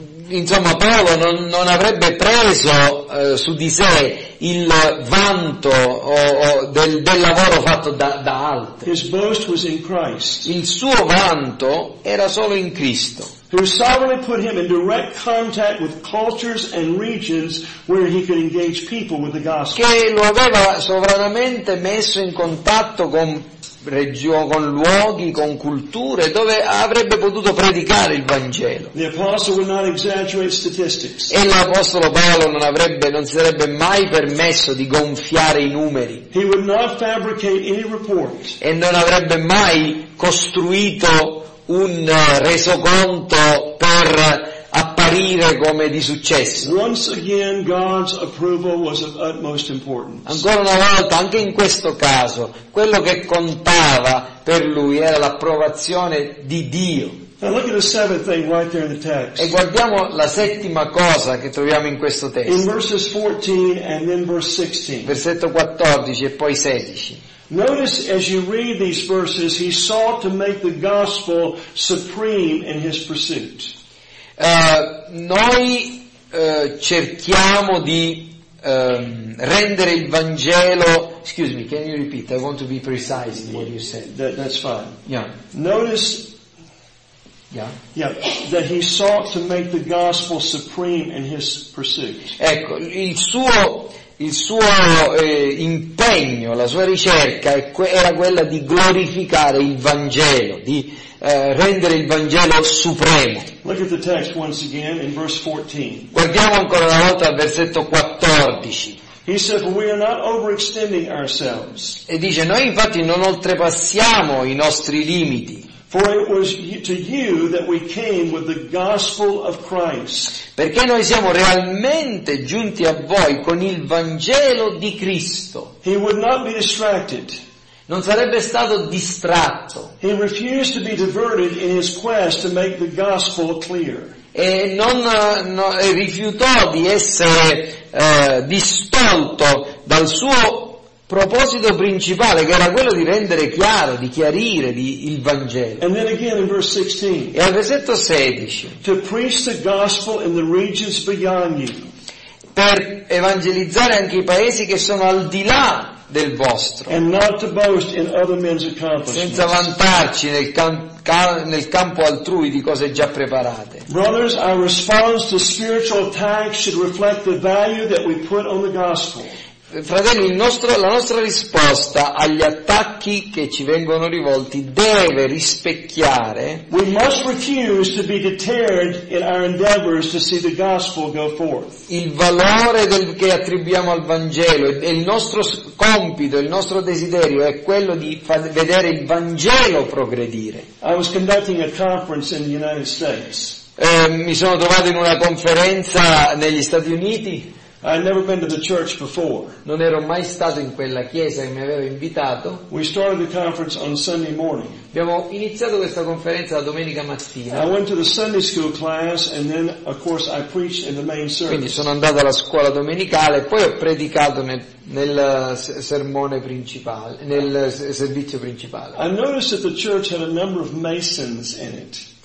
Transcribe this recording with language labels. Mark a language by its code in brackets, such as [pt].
[it] Insomma, Paolo non avrebbe preso su di sé il vanto del lavoro fatto da altri. [en] His boast was in Christ. [it] Il suo vanto era solo in Cristo, [en] who sovereignly put him in direct contact with cultures and regions where he could engage people with the gospel. [it] Che lo aveva sovranamente messo in contatto con luoghi, con culture dove avrebbe potuto predicare il Vangelo. [en] The apostle would not exaggerate statistics. [it] E l'apostolo Paolo non sarebbe mai permesso di gonfiare i numeri. [en] He would not fabricate any report. [it] E non avrebbe mai costruito un resoconto per apparire come di successo. [en] Once again, God's approval was of utmost importance. [it] Ancora una volta, anche in questo caso, quello che contava per lui era l'approvazione di Dio. [en] Now look at the seventh thing right there in the text. [it] E guardiamo la settima cosa che troviamo in questo testo. [en] In verses 14 and then verse 16. [it] Versetto 14 e poi 16. [en] Notice as you read these verses, he sought to make the gospel supreme in his pursuit. [it] Noi cerchiamo di rendere il Vangelo. [en] Excuse me, can you repeat? I want to be precise in what you said. That's fine. Yeah. Notice. Yeah. Yeah. That he sought to make the gospel supreme in his pursuit. [it] Ecco, il suo impegno, la sua ricerca era quella di glorificare il Vangelo, di rendere il Vangelo supremo. [en] Look at the text once again in verse 14. [it] Guardiamo ancora una volta al versetto 14. [en] He said, "We are not overextending ourselves." [it] E dice, noi infatti non oltrepassiamo i nostri limiti. [en] For it was to you that we came with the gospel of Christ. [it] Perché noi siamo realmente giunti a voi con il Vangelo di Cristo. [en] He would not be distracted. [it] Non sarebbe stato distratto. [en] He refused to be diverted in his quest to make the gospel clear. [it] E non no, rifiutò di essere distolto dal suo proposito principale, che era quello di rendere chiaro, di chiarire il Vangelo. [en] And then again in verse 16, [it] e al versetto 16, [en] to preach the gospel in the regions beyond you. [it] Per evangelizzare anche i paesi che sono al di là del vostro. [en] And not to boast in other men's accomplishments. [it] Senza vantarci nel campo altrui di cose già preparate. [en] Brothers, our response to spiritual attacks should reflect the value that we put on the gospel. [it] Fratelli, la nostra risposta agli attacchi che ci vengono rivolti deve rispecchiare. [en] We must refuse to be deterred in our endeavors to see the gospel go forth. [it] Il valore che attribuiamo al Vangelo, e il nostro compito, il nostro desiderio è quello di far vedere il Vangelo progredire. [en] I was conducting a conference in the United States. [it] Mi sono trovato in una conferenza negli Stati Uniti. [en] I had never been to the church before. [it] Non ero mai stato in quella chiesa che mi aveva invitato. [en] We started the conference on Sunday morning. [it] Abbiamo iniziato questa conferenza la domenica mattina. [en] I went to the Sunday school class and then of course I preached in the main service. [it] Quindi sono andato alla scuola domenicale e poi ho predicato nel sermone principale, nel servizio principale. [en] I noticed that the church had a number of masons in it.